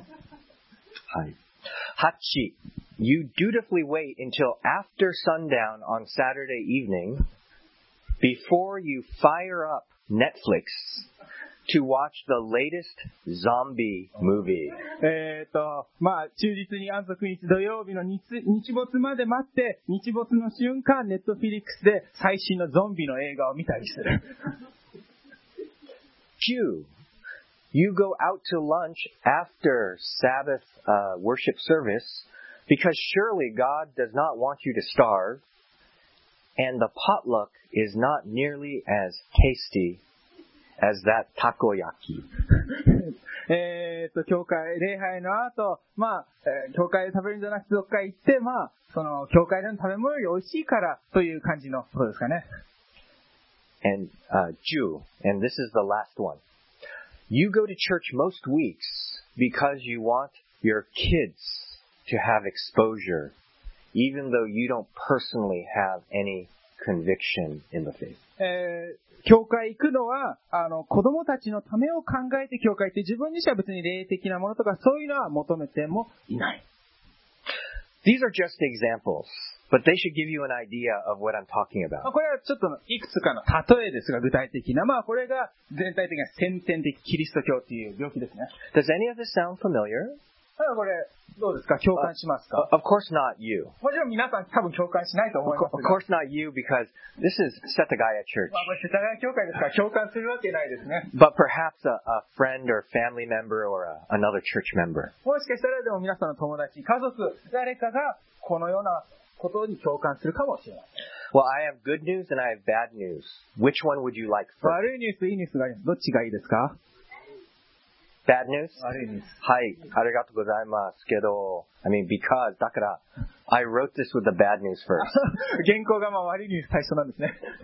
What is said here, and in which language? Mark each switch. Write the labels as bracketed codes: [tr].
[ja] はい。8. [en] You dutifully wait until after sundown on Saturday evening before you fire up Netflix. To watch the latest zombie movie. [ja] まあ、忠実に安息日土曜日の 日没まで待って、日没の瞬間、ネットフィリックスで最新のゾンビの映画を見たりする。 [en] 9. You go out to lunch after Sabbath, worship service because surely God does not want you to starve and the potluck is not nearly as tasty.As that takoyaki. [ja] 教会礼拝の後、まあ、教会で食べるんじゃなくてどっか行って、まあ、その教会での食べ物より美味しいからという感じのことですかね。 [en] And, Jew, and this is the last one. You go to church most weeks because you want your kids to have exposure, even though you don't personally have any conviction in the faith. [ja] 教会行くのは、子供たちのためを考えて教会行って、自分自身は別に霊的なものとかそういうのは求めてもいない。 [en] These are just examples. But they should give you an idea of what I'm talking about. [ja] これはちょっとのいくつかの例えですが、具体的な。まあ、これが全体的な先天的キリスト教という病気ですね。 [en] Does any of this sound familiar? [ja] これ、どうですか?共感しますか? [en] Of course not you. [ja] もちろん皆さん多分共感しないと思います。 [en] Of course not you because this is Setagaya Church. [ja] まあ、これ世田谷教会ですから共感するわけないですね。 [en] But perhaps a friend or family member or another church member. [ja] もしかしたらでも皆さんの友達、家族、誰かがこのようなことに共感するかもしれません。 [en] Well, I have good news and I have bad news. Which one would you like first? [ja] 悪いニュース、いいニュースがあります。どっちがいいですか? [en] Bad news? [ja] 悪いニュース。はい、ありがとうございますけど、 [en] I mean, because, [ja] だから、 [en] I wrote this with the bad news first. [ja] 原稿がまあ悪いニュース最初なんですね。